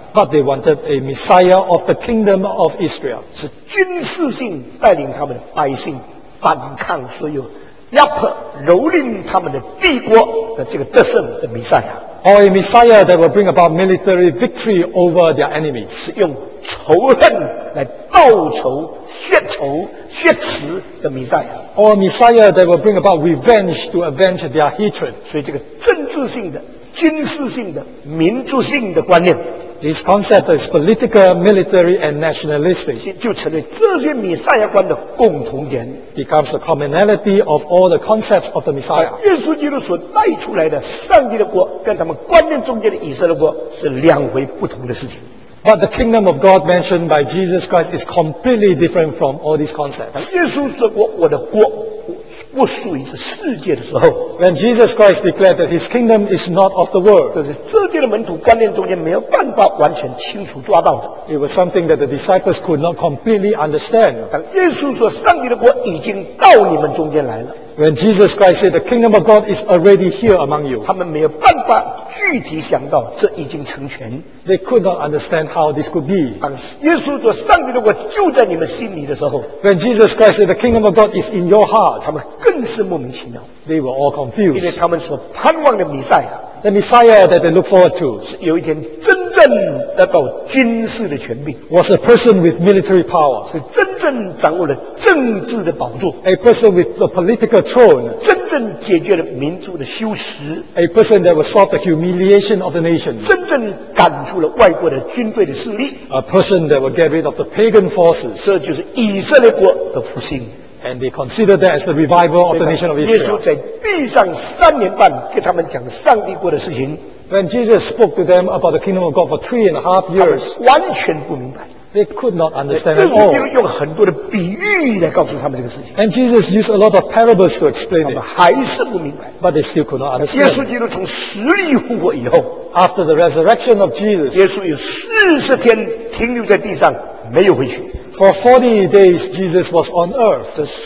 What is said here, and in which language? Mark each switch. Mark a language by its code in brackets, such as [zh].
[en] But they wanted a Messiah of the kingdom of Israel. [zh] 是军事性带领他们的百姓反抗所有压迫蹂躏他们的帝国的这个得胜的弥赛亚。 [en] Or a Messiah that will bring about military victory over their enemies. [zh] 是用仇恨来报仇、血仇、血耻的弥赛亚。 [en] Or a Messiah that will bring about revenge to avenge their hatred. [zh] 所以这个政治性的、军事性的、民族性的观念。 [en] This concept is political, military, and nationalistic. [zh] 就成为这些弥赛亚观的共同点。 [en] Becomes the commonality of all the concepts of the Messiah. [zh] 耶稣基督所带出来的上帝的国，跟他们观念中间的以色列国是两回不同的事情。 [en] But the kingdom of God mentioned by Jesus Christ is completely different from all these concepts. [zh] 耶稣说我的国不属于这世界的时候, [en] when Jesus Christ declared that his kingdom is not of the world, [zh] 就是这些的门徒观念中间没有办法完全清楚抓到的, [en] it was something that the disciples could not completely understand. [zh] 当耶稣说上帝的国已经到你们中间来了, [en] when Jesus Christ said the kingdom of God is already here among you, [zh] 他们没有办法具体想到这已经成全, [en] they could not understand how this could be. [zh] 当耶稣说上帝的国就在你们心里的时候, [en] when Jesus Christ said the kingdom of God is in your heart, [zh] 他们更是莫名其妙, [en] they were all confused. [zh] 因为他们所盼望的弥赛亚, [en] the Messiah that they look forward to, [zh] 是有一天真正得到军事的权柄, [en] was a person with military power, [zh] 是真正掌握了政治的宝座, [en] a person with the political throne, [zh] 真正解决了民族的羞耻, [en] a person that will solve the humiliation of the nation, [zh] 真正赶出了外国的军队的势力, [en] a person that will get rid of the pagan forces. [zh] 这就是以色列国的复兴, [en] and they consider that as the revival of the nation of Israel. [zh] 耶稣在地上三年半给他们讲上帝国的事情, [en] when Jesus spoke to them about the kingdom of God for 3.5 years, [zh] 完全不明白, [en] they could not understand at all. [zh] 耶稣基督用很多的比喻来告诉他们这个事情, [en] and Jesus used a lot of parables to explain it, [zh] 他们还是不明白, [en] but they still could not understand. [zh] 耶稣基督从死里复活以后, [en] after the resurrection of Jesus, [zh] 耶稣有40天停留在地上, 没有回去, [en] for 40 days Jesus was on earth.